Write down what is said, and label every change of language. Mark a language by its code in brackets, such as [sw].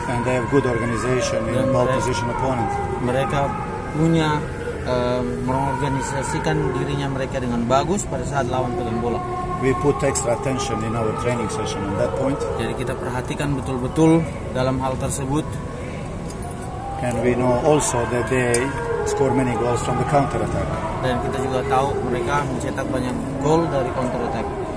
[en] And they have good organization in ball position opponent. [id] Mereka punya mengorganisasikan dirinya mereka dengan bagus pada saat lawan pegang bola. [en] We put extra attention in our training session on that point. [id] Jadi kita perhatikan betul-betul dalam hal tersebut. [en] And we know also that they score many goals from the counter attack. [id] Dan kita juga tahu mereka mencetak banyak gol dari counter attack.